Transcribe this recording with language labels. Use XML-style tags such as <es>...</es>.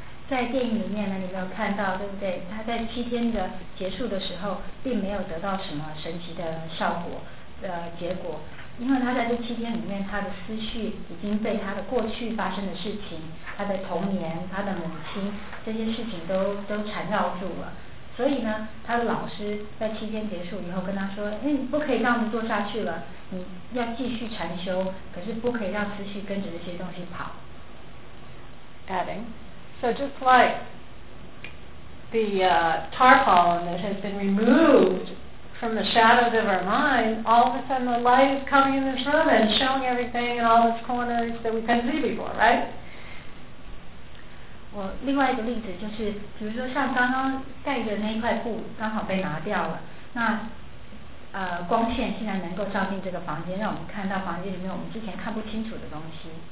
<zh>在电影里面呢，你没有看到，对不对？他在七天的结束的时候，并没有得到什么神奇的效果的结果，因为他在这七天里面，他的思绪已经被他的过去发生的事情、他的童年、他的母亲这些事情都缠绕住了。所以呢，他的老师在七天结束以后跟他说：“哎，你不可以这样子做下去了，你要继续禅修，可是不可以让思绪跟着这些东西跑。”</zh> <en>Adding. So just like the tarpaulin that has been removed from the shadows of our mind, all of a sudden the light is coming in this room and showing everything in all its corners that we couldn't see before, right?</en> <zh>Well, 另外一个例子就是，比如说像刚刚盖着那一块布刚好被拿掉了，那光线现在能够照进这个房间，让我们看到房间里面我们之前看不清楚的东西。</zh>